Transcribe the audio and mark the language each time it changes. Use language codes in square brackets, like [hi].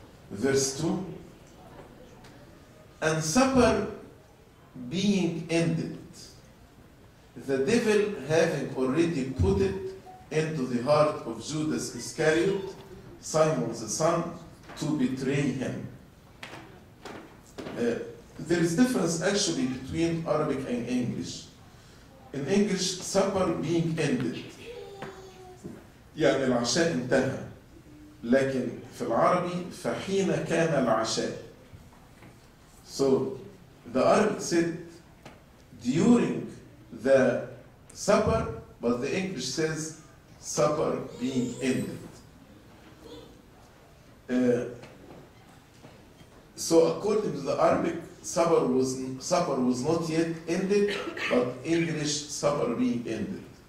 [en] Verse 2, and supper being ended, the devil having already put it into the heart of Judas Iscariot, Simon's son, to betray him. There is difference actually between Arabic and English. In English, supper being ended. [ar] يعني العشاء انتهى. لكن في العربي فحين كان العشاء. [en] So the Arabic said during the supper, but the English says supper being ended. So according to the Arabic, supper was not yet ended, but English supper being ended.